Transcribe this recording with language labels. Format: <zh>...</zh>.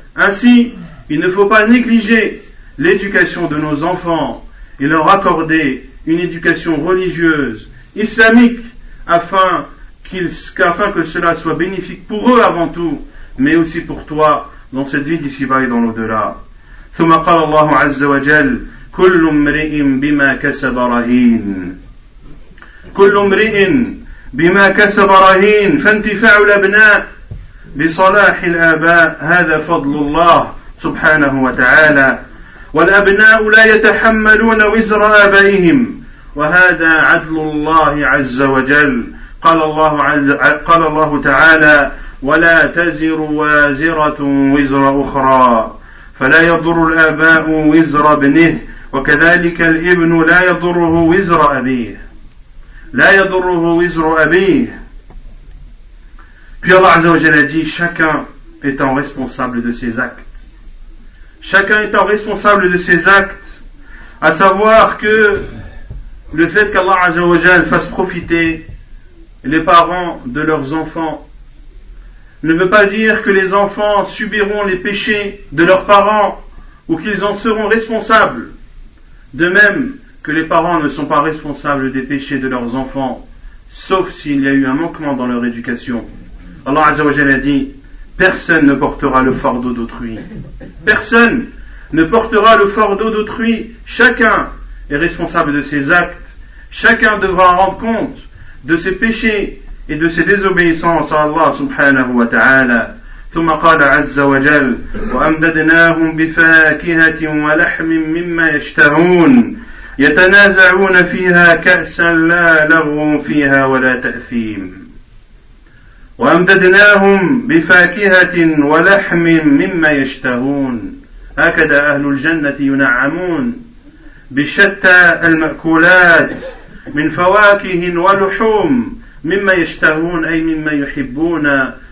<fr>Ainsi, il ne faut pas négliger l'éducation de nos enfants et leur accorder une éducation religieuse, islamique, afin que cela soit bénéfique pour eux avant tout, mais aussi pour toi dans cette vie d'ici-bas et dans l'au-delà.</fr> <ar>ثم قال الله عز وجل كل امرئ بما كسب رهين كل امرئ بما كسب رهين فانتفاع الابناء لصلاح الاباء هذا فضل الله سبحانه وتعالى والابناء لا يتحملون وزر ابائهم وهذا عدل الله عز وجل قال الله تعالى ولا تزر وازره وزر اخرى فلا يضر الآباء وزر ابنه وكذلك الابن لا يضره وزر أبيه لا يضره وزر أبيه.</ar> <fr>Puis Allah Azza wa Jalla dit, chacun étant responsable de ses actes, chacun étant responsable de ses actes, à savoir que le fait qu'Allah Azza wa Jalla fasse profiter les parents de leurs enfants ne veut pas dire que les enfants subiront les péchés de leurs parents ou qu'ils en seront responsables. De même que les parents ne sont pas responsables des péchés de leurs enfants, sauf s'il y a eu un manquement dans leur éducation. Allah Azza wa Jalla a dit, personne ne portera le fardeau d'autrui. Personne ne portera le fardeau d'autrui. Chacun est responsable de ses actes. Chacun devra rendre compte de ses péchés et de ses désobéissances à Allah subhanahu wa ta'ala.</fr> <ar>ثم قال عز وجل وأمددناهم بفاكهة ولحم مما يشتهون يتنازعون فيها كأسا لا لغو فيها ولا تأثيم وأمددناهم بفاكهة ولحم مما يشتهون هكذا أهل الجنة ينعمون بشتى المأكولات من فواكه ولحوم مما يشتهون أي مما يحبون</ar>